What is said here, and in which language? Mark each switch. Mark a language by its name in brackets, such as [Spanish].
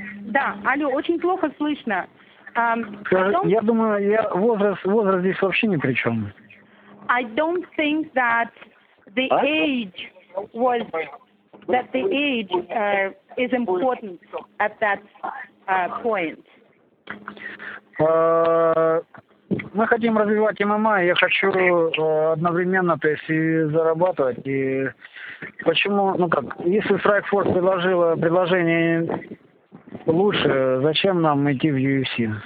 [Russian] Да, алло, очень плохо слышно. Я думаю, возраст здесь вообще ни при чем. [English] I don't think that the age was that the age is important at that point. [Russian] Мы хотим развивать ММА, я хочу одновременно, то есть и зарабатывать. И почему, ну как, если Strikeforce предложила предложение лучше, зачем нам идти в UFC?